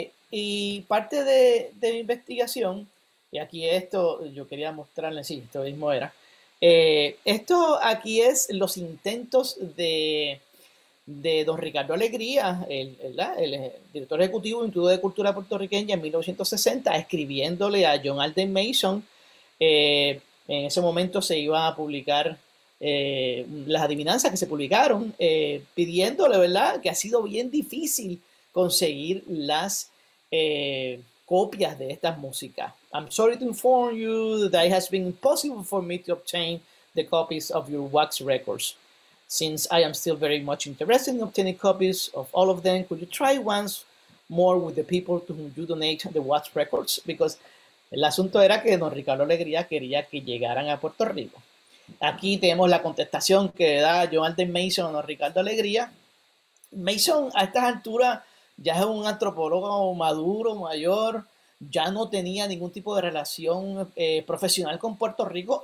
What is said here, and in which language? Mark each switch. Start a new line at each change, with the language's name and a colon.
Spanish: Y parte de mi investigación, y aquí esto yo quería mostrarles, sí, esto mismo era, esto aquí es los intentos de don Ricardo Alegría, el director ejecutivo del Instituto de Cultura Puertorriqueña en 1960, escribiéndole a John Alden Mason. En ese momento se iban a publicar las adivinanzas que se publicaron, pidiéndole, ¿verdad?, que ha sido bien difícil conseguir las copias de estas músicas.
English: I'm sorry to inform you that it has been impossible for me to obtain the copies of your wax records. Since I am still very much interested in obtaining copies of all of them, could you try once more with the people to whom you donate the wax records? Because
Spanish: el asunto era que don Ricardo Alegría quería que llegaran a Puerto Rico. Aquí tenemos la contestación que da John Alden Mason a don Ricardo Alegría. Mason, a estas alturas, ya es un antropólogo maduro, mayor, ya no tenía ningún tipo de relación profesional con Puerto Rico.